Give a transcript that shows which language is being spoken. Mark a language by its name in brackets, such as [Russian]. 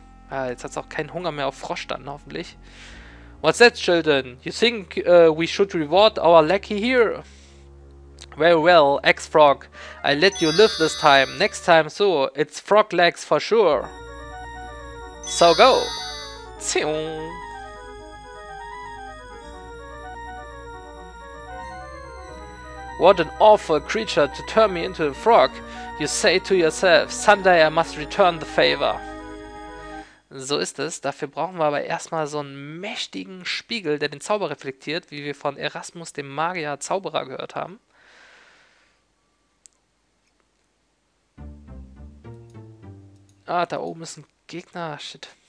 [German] Ah, jetzt hat's auch keinen Hunger mehr auf Frosch dann, hoffentlich. [English] What's that, children? You think we should reward our lackey here? Very well, X-Frog. I let you live this time. Next time, so it's frog legs for sure. So go. Tsiung. What an awful creature to turn me into a frog. You say to yourself, someday I must return the favor. [German] So ist es. Dafür brauchen wir aber erstmal so einen mächtigen Spiegel, der den Zauber reflektiert, wie wir von Erasmus, dem Magier Zauberer, gehört haben. Ah, da oben ist ein Gegner. Shit.